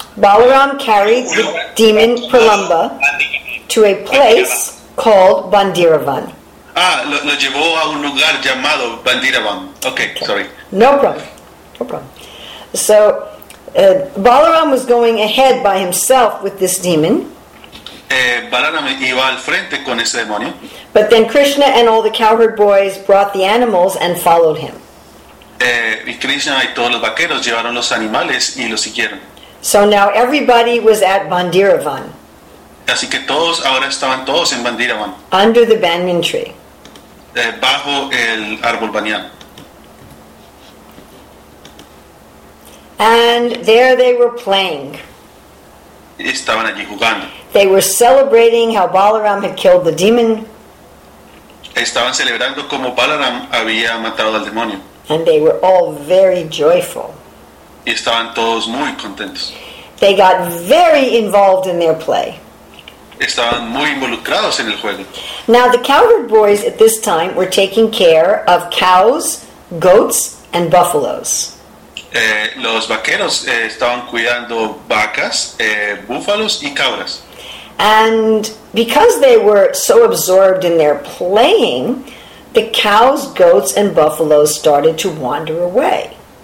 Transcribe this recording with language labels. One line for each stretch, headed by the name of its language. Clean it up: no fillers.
English: Balaram carried the demon Prahlamba to a place called Bandiravan.
Spanish: Ah, lo llevó a un lugar llamado Bandiravan.
English: Okay. Sorry. No problem. So, Balaram was going ahead by himself with this demon.
Spanish: Balaram iba al frente con ese demonio.
English: But then Krishna and all the cowherd boys brought the animals and followed him.
Spanish: Y Krishna y todos los vaqueros llevaron los animales y los siguieron.
English: So now everybody was at Bandiravan.
Spanish: Así que todos ahora estaban todos en Bandiravan.
English: Under the banyan tree.
Spanish: Bajo el árbol banyan.
English: And there they were playing.
Spanish: Estaban allí jugando.
English: They were celebrating how Balaram had killed the demon.
Spanish: Estaban celebrando como Balaram había matado al demonio.
English: And they were all very joyful.
Spanish: Y estaban todos muy contentos.
English: They got very involved in their play.
Spanish: Estaban muy involucrados en el juego.
English: Now the cowherd boys at this time were taking care of cows, goats, and buffaloes.
Spanish: Los vaqueros estaban cuidando vacas, búfalos y cabras.
English: And because they were so absorbed in their playing, the cows, goats, and buffaloes started to wander away.